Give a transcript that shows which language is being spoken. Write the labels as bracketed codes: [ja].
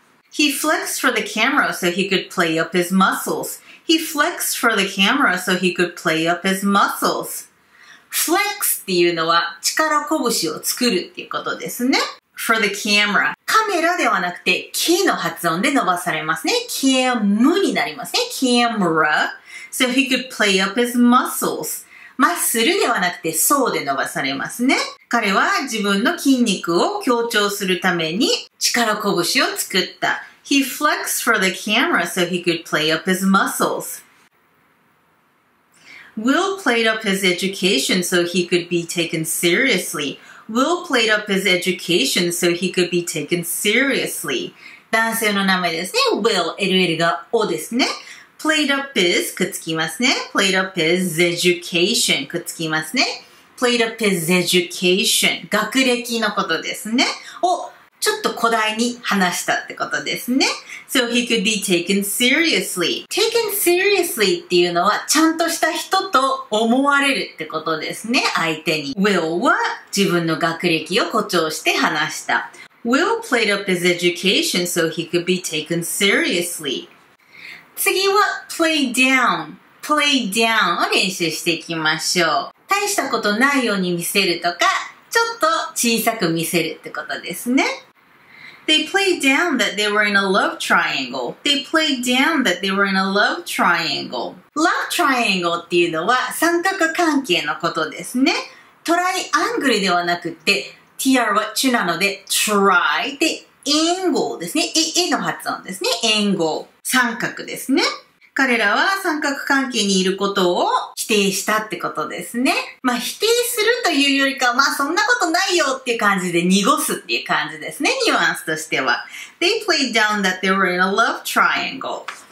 [en] He flexed for the camera so he could play up his muscles. He flexed for the camera so he could play up his muscles. [ja] Flex っていうのは力拳を作るっていうことですね。 [en] For the camera. [ja] カメラではなくて K の発音で伸ばされますね。 Cam になりますね。 [en] Camera. So he could play up his muscles. [ja] マッスルではなくてそうで伸ばされますね。彼は自分の筋肉を強調するために力拳を作った。 [en] He flexed for the camera so he could play up his muscles. Will played up his education so he could be taken seriously. Will played up his education so he could be taken seriously. [ja] 男性の名前ですね。Will、LL がおですね。 [en] Played up is [ja] くっつきますね。 [en] Played up is education くっつきますね。 Played up is education [ja] 学歴のことですね。をちょっと古代に話したってことですね。 [en] So he could be taken seriously. [ja] Taken seriously っていうのはちゃんとした人と思われるってことですね。相手に。 Will は自分の学歴を誇張して話した。 [en] Will played up his education so he could be taken seriously. [ja] 次は [en] play down, play down [ja] を練習していきましょう。大したことないように見せるとか、ちょっと小さく見せるってことですね。 [en] They played down that they were in a love triangle. They played down that they were in a love triangle. [ja] Love triangle っていうのは三角関係のことですね。トライアングルではなくて、TR は中なので、try で円号ですね。絵の発音ですね。円号。三角ですね。彼らは三角関係にいることを否定したってことですね。まあ否定するというよりかは、まあそんなことないよっていう感じで濁すっていう感じですね。ニュアンスとしては。 [en] They played down that they were in a love triangle.